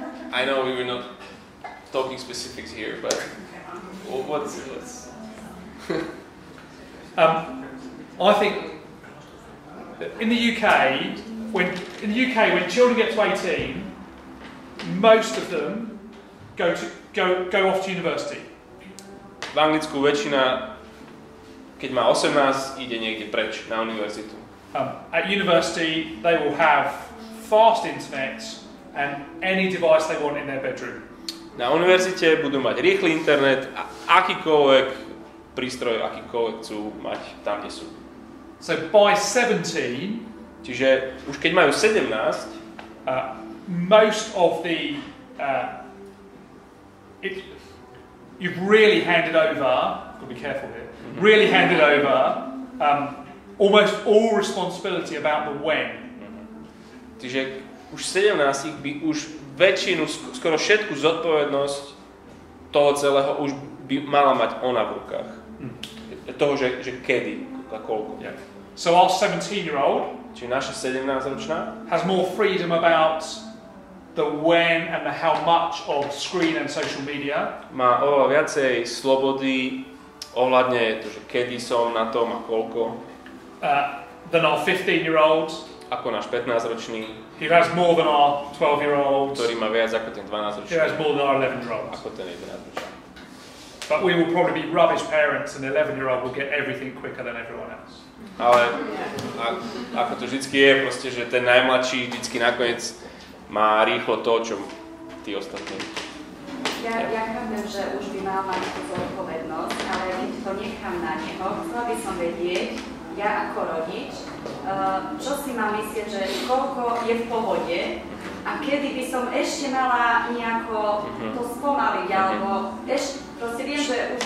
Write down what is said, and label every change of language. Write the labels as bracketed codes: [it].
[en] I know we were not talking specifics here, but what's... I think in the UK, when children get to 18, most of them go off to university. [sk] V Anglicku väčšina, keď má 18, ide niekde preč na univerzitu. [en] At university, they will have fast internet and any device they want in their bedroom. [sk] Na univerzite budú mať rýchly internet a akýkoľvek prístroj, akýkoľvek chcú mať tam, kde sú. [en] So by 17, [sk] čiže už keď majú 17, [en] most of the you've really handed over, gotta be careful here, really handed over almost all responsibility about the when. [sk] Čiže už 17 by už väčšinu, skoro všetku zodpovednosť toho celého už by mala mať ona v rukách. Toho, že kedy a koľko. [en] Yeah. So our 17-year-old, [sk] čiže naša 17-ročná, [en] has more freedom about the when and the how much of screen and social media. [sk] Má oveľa viacej slobody ohľadne to, že kedy som na tom a koľko. [en] Than our 15-year-old. [sk] Ako náš 15-ročný. [en] He has more than our 12-year-old. [sk] Ktorý má viac ako ten 12-ročný. [en] He has more than our 11-year-old. [sk] Ako ten 11-ročný. [en] But we will probably be rubbish parents and 11-year-old will get everything quicker than everyone else. [sk] Ale ako to vždycky je, proste, že ten najmladší vždycky nakoniec má rýchlo to, čo tí ostatní. Ja chápem, že už by mal mať tú zodpovednosť, ale keď to nechám na neho, chcela by som vedieť, ja ako rodič, čo si mám myslieť, že koľko je v pohode a kedy by som ešte mala nejako to spomaliť, alebo ešte, proste viem, že už